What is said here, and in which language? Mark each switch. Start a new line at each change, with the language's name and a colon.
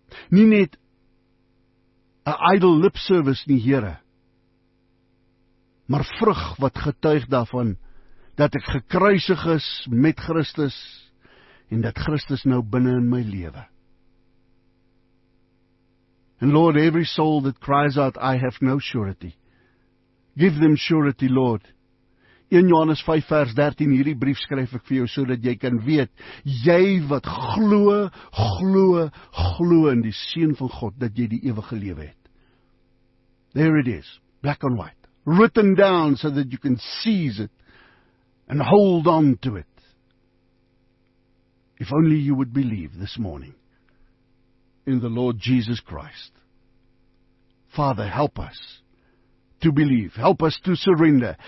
Afrikaans: Nie net
English: a idle lip service
Afrikaans: nie, Here, maar vrug wat getuig daarvan, dat ek gekruisig is met Christus, en dat Christus nou binnen in my lewe.
English: And Lord, every soul that cries out, I have no surety, give them surety, Lord.
Afrikaans: 1 Johannes 5 vers 13, hierdie brief skryf ek vir jou, so dat jy kan weet, jy wat glo in die Seun van God, dat jy die ewige lewe het.
English: There it is, black and white, written down so that you can seize it and hold on to it. If only you would believe this morning in the Lord Jesus Christ. Father, help us to believe. Help us to surrender.